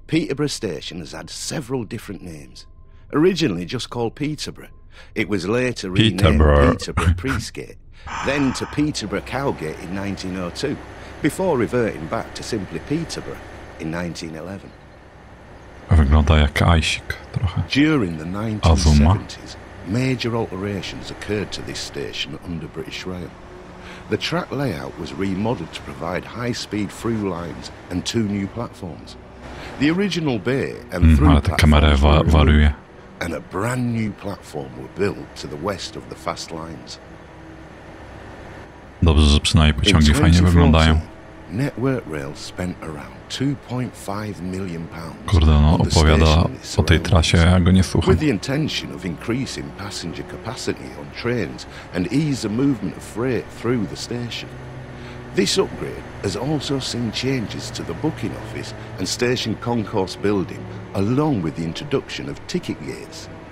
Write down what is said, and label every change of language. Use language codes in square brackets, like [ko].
[en] Peterborough Station has had several different names. Originally just called Peterborough. It was later renamed Peterborough Priestgate. Then to Peterborough Cowgate in 1902, before reverting back to simply Peterborough in 1911. [pl] Wygląda jak Aisik trochę. [en] During the 1970s, major alterations occurred to this station under British Rail. The track layout was remodeled to provide high-speed through lines and two new platforms. The original bay and through platforms and a brand new platform were built to the west of the fast lines. [pl] Dobrze, że przynajmniej pociągi fajnie wyglądają. [en] Network Rail spent around 2.5 million pounds. [pl] Kurde, no opowiada o tej trasie, a ja go nie słucham. [en] With the intention of increasing passenger capacity on trains and ease the movement of freight through the station. This upgrade has also seen changes to the booking office and station concourse building, along with the introduction of ticket gates.